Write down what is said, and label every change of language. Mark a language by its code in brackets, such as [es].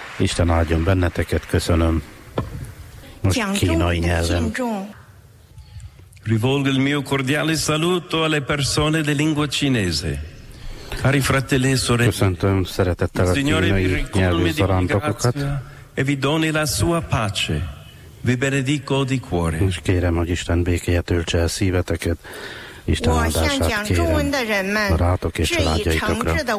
[hu] Isten áldjon benneteket, köszönöm. Most kínai nyelven. [it] Rivolgo il mio cordiale saluto alle persone di lingua cinese. Cari fratelli e sorelle. [hu] Köszöntöm szeretettel a kínai nyelvű zarándokokat. [it] E vi doni la sua pace. Vi benedico di cuore. [hu] És kérem, hogy Isten békéje töltse el szíveteket. Isten áldását kérem. Barátok és családjaitokra.